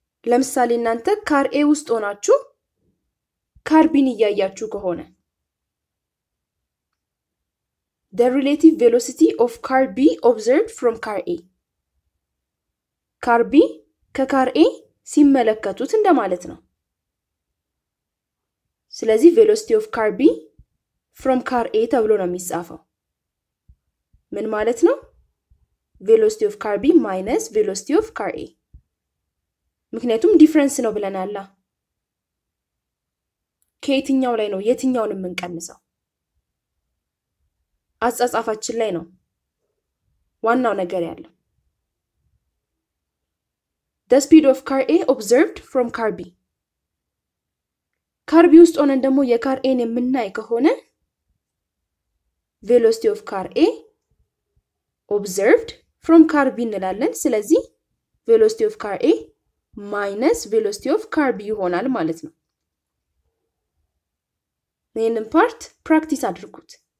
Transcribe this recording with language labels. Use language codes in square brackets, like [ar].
[am] ለምሳሌ እናንተ ካር ኤ ውስጥ ሆናችሁ ካር ቢን እያያችሁ ከሆነ [en] the relative velocity of car B observed from car A፣ [am] ካር ቢ ከካር ኤ ሲመለከቱት እንደማለት ነው። ስለዚህ [en] velocity of car B [am] from car A ተብሎ ነው የሚጻፈው። ምን ማለት ነው? [en] velocity of car B minus velocity of car A. [am] ምክንያቱም difference ነው ብለናል። ከየትኛው ላይ ነው የትኛውን የምንቀንሰው? አጻጻፋችን ላይ ነው ዋናው ነገር ያለው። [en] The speed of car A observed from car B. [am] car B ውስጥ ሆነን ደግሞ የcar A-ን የምናይ ከሆነ [en] velocity of car A observed from car B [am] እንላለን። ስለዚህ [en] velocity of car A minus velocity of car B [am] ይሆናል ማለት ነው። ይህንን part practice አድርጉት።